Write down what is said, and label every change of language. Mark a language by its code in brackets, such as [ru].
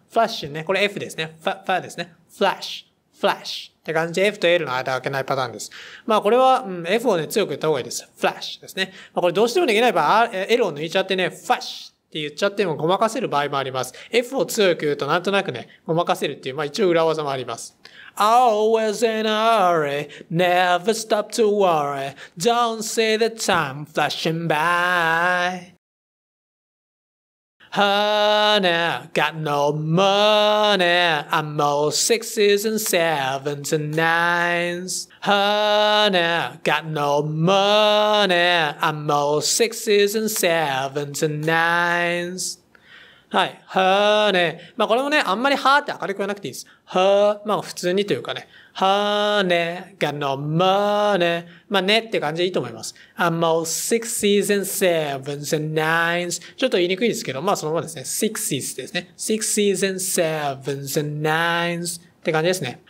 [ja] Flashing ね、これ F ですね。F ですね。 [en] Flash, flash [ja] って感じで F と L の間開けないパターンです。まあこれは、F をね強く言った方がいいです。 Flash ですね。まあこれどうしてもできない場合、L を抜いちゃってね、Flash。って言っちゃってもごまかせる場合もあります。F を強く言うとなんとなくね、ごまかせるっていう、まあ一応裏技もあります。 [en] Always in a hurry, never stop to worry, don't see the time flashing by. Honey, got no money, I'm all sixes and sevens and nines. Honey, got no money, I'm all sixes and sevens and nines. [ja] はい。Honey. まあこれもね、あんまりはーって明るく言わなくていいです。はー、まあ普通にというかね。 [en] Honey, got no money. [ja] まあねって感じでいいと思います。 [en] I'm all sixes and sevens and nines. [ja] ちょっと言いにくいですけど、まあそのままですね。 [en] Sixes [ja] ですね。 [en] Sixes and sevens and nines. [ja] って感じですね。